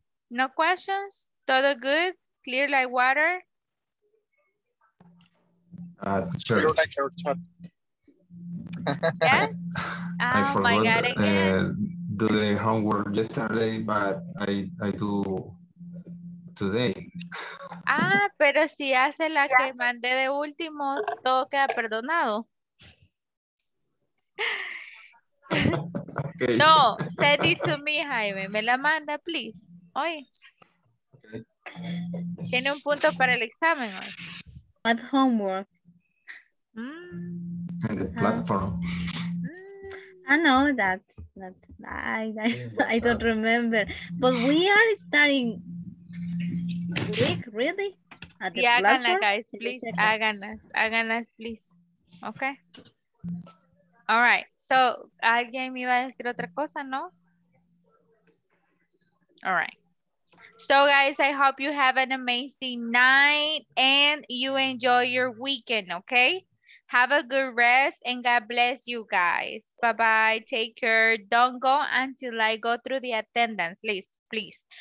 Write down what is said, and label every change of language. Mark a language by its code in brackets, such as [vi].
[en] No questions? [es] Todo [en] good? Clear like water? Teacher. Clear like your chat. Yeah? Oh, my God, I Do the homework yesterday, but I do today. [es] Ah, pero si hace la que mandé de último, todo queda perdonado. [en] Okay. No, send it to me, Jaime. [es] Me la manda, [en] please. [es] Hoy. Tiene un punto para el examen hoy. [en] At homework. And the platform. I know I don't remember. But we are starting week, really? At the [es] háganla, [en] guys. Please, [es] háganlas, [en] please. Okay. All right. [es] So, alguien me iba a decir otra cosa, ¿no? [en] All right. So, guys, I hope you have an amazing night and you enjoy your weekend, okay? Have a good rest and God bless you guys. Bye-bye. Take care. Don't go until I go through the attendance list, please.